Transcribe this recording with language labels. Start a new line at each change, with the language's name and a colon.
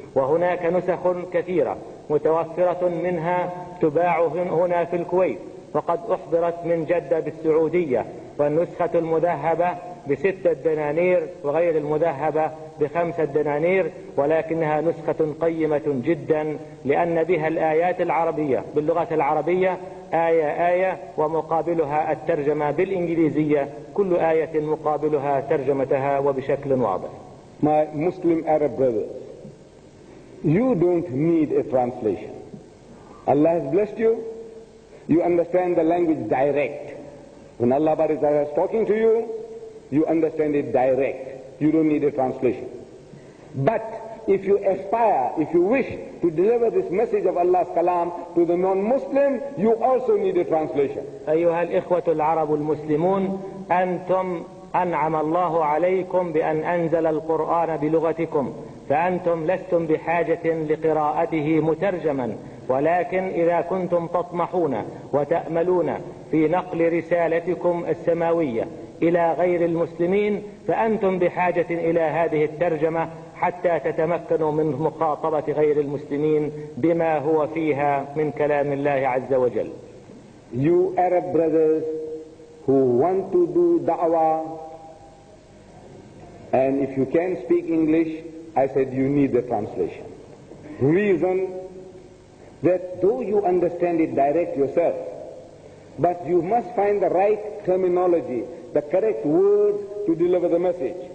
Arabic: وهناك نسخ كثيرة متوفرة منها تباع هنا في الكويت، وقد أحضرت من جدة بالسعودية، والنسخة المذهبة بستة دنانير وغير المذهبة بخمسة دنانير، ولكنها نسخة قيمة جدا لأن بها الآيات العربية باللغة العربية آية آية، ومقابلها الترجمة بالإنجليزية، كل آية مقابلها ترجمتها وبشكل واضح.
English: My Muslim Arab brothers, you don't need a translation. Allah has blessed you. You understand the language direct. When Allah is talking to you, you understand it direct. You don't need a translation. But if you aspire, if you wish to deliver this message of Allah's kalam to the non-Muslim, you also need a translation.
Arabic: أيها الإخوة العرب المسلمون، أنتم أنعم الله عليكم بأن أنزل القرآن بلغتكم، فأنتم لستم بحاجة لقراءته مترجما، ولكن إذا كنتم تطمحون وتأملون في نقل رسالتكم السماوية إلى غير المسلمين، فأنتم بحاجة إلى هذه الترجمة حتى تتمكنوا من مخاطبة غير المسلمين بما هو فيها من كلام الله عز وجل.
English: You Arab brothers who want to do da'wah, and if you can speak English, I said you need the translation. Reason that though you understand it direct yourself, but you must find the right terminology, the correct words to deliver the message.